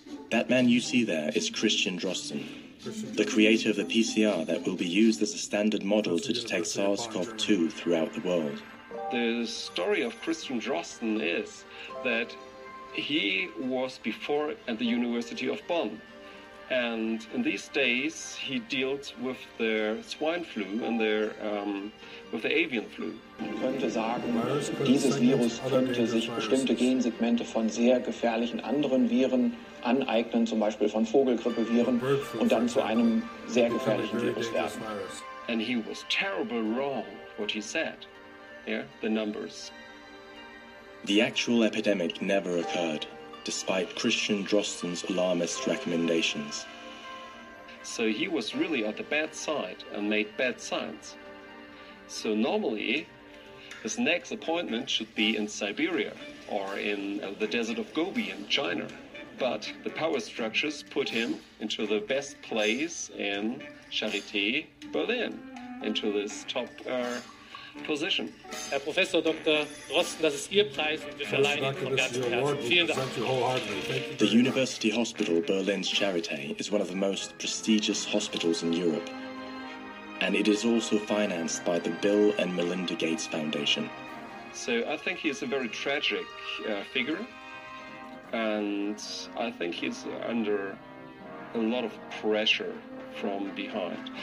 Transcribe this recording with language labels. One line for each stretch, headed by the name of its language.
English: That man you see there is Christian Drosten, the creator of the PCR that will be used as a standard model to detect SARS-CoV-2 throughout the world. The story of Christian Drosten is that he was before at the University of Bonn, and in these days he deals with the swine flu and their with the avian flu.
German: Könnte sagen, dieses Virus könnte sich bestimmte Gensegmente von sehr gefährlichen anderen Viren aneignen, zum Beispiel von Vogelgrippeviren, und dann zu einem sehr gefährlichen Virus werden.
English: And he was terrible wrong what he said. Yeah, the numbers. The actual epidemic never occurred, despite Christian Drosten's alarmist recommendations. So he was really at the bad side and made bad science. So normally, his next appointment should be in Siberia or in the desert of Gobi in China. But the power structures put him into the best place in Charité, Berlin, into this top position.
German: Herr Professor Dr. Drosten, das ist Ihr Preis und wir verleihen Ihnen von ganzem Herzen. Vielen Dank.
English: The University Hospital Berlin's Charité is one of the most prestigious hospitals in Europe. And it is also financed by the Bill and Melinda Gates Foundation. So I think he is a very tragic figure. And I think he's under a lot of pressure from behind.